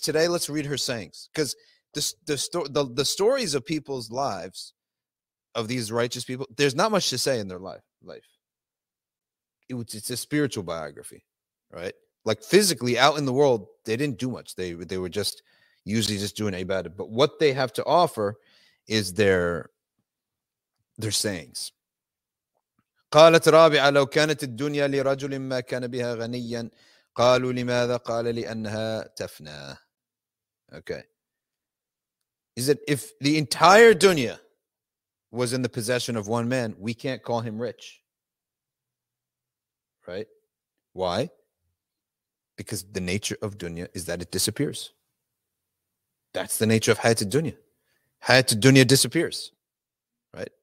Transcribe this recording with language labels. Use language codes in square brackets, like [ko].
[en] Today, let's read her sayings, because the stories of people's lives, of these righteous people, there's not much to say in their life. It's a spiritual biography, right? Like physically out in the world, they didn't do much. They were just usually just doing ibadah. But what they have to offer is their sayings. [ar] قالت رابعة لو كانت الدنيا لرجل ما كان بها غنيا قالوا لماذا قال لأنها تفنى. [en] Okay. Is it if the entire dunya was in the possession of one man, we can't call him rich. Right? Why? Because the nature of dunya is that it disappears. That's the nature of hayat al-dunya. Hayat al-dunya disappears. Right?